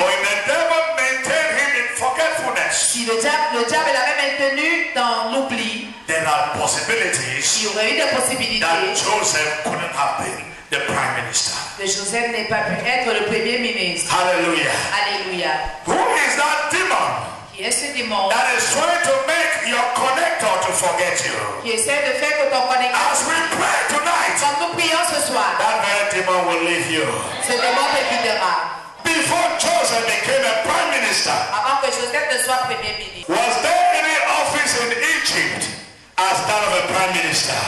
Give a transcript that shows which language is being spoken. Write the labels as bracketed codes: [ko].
[en] or if the devil maintained him in forgetfulness, [fr] si le diable l'avait maintenu dans l'oubli, [en] there are possibilities, [fr] il y aurait eu des possibilités, [en] that Joseph couldn't have been the Prime Minister. [fr] Que Joseph n'ait pas pu être le Premier ministre. [en] Hallelujah. [fr] Hallelujah. [en] Who is that demon? That is trying to make your connector to forget you. As we pray tonight, [fr] quand nous prions ce soir, [en] that very demon will leave you. [fr] Ce démon te quittera. [en] Before Joseph became a prime minister, [fr] avant que Joseph ne soit premier ministre, [en] was there any office in Egypt as that of a prime minister?